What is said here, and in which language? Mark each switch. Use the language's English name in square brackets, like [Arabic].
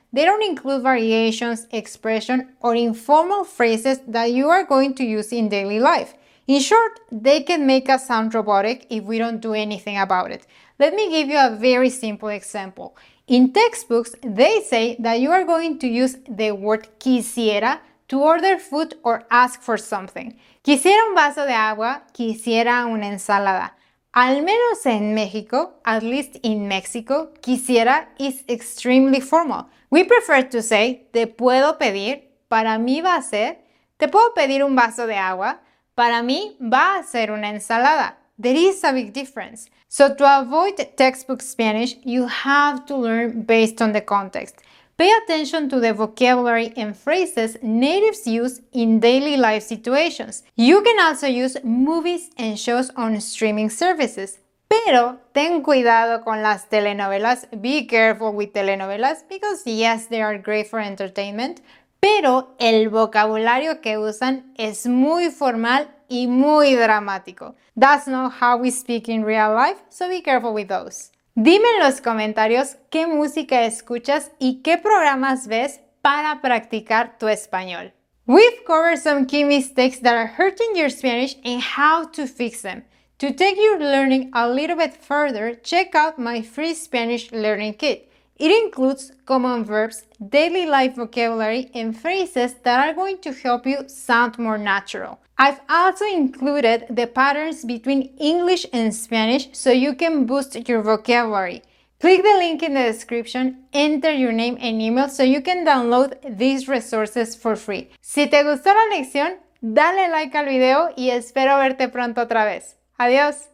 [English] They don't include variations, expression, or informal phrases that you are going to use in daily life. In short, they can make us sound robotic if we don't do anything about it. Let me give you a very simple example. In textbooks, they say that you are going to use the word quisiera to order food or ask for something. [Spanish] Quisiera un vaso de agua, quisiera una ensalada. Al menos en México, [English] at least in Mexico, quisiera is extremely formal. We prefer to say, [Spanish] te puedo pedir, para mí va a ser, te puedo pedir un vaso de agua, para mí va a ser una ensalada. [English] There is a big difference. So to avoid textbook Spanish, you have to learn based on the context. Pay attention to the vocabulary and phrases natives use in daily life situations. You can also use movies and shows on streaming services. [Spanish] Pero ten cuidado con las telenovelas. [English] Be careful with telenovelas because yes, they are great for entertainment. [Spanish] pero el vocabulario que usan es muy formal y muy dramático. [English] That's not how we speak in real life, so be careful with those. [Spanish] Dime en los comentarios qué música escuchas y qué programas ves para practicar tu español. [English] We've covered some key mistakes that are hurting your Spanish and how to fix them. To take your learning a little bit further, check out my free Spanish learning kit. It includes common verbs, daily life vocabulary, and phrases that are going to help you sound more natural. I've also included the patterns between English and Spanish so you can boost your vocabulary. Click the link in the description, enter your name and email so you can download these resources for free. [Spanish] Si te gustó la lección, dale like al video y espero verte pronto otra vez. Adiós.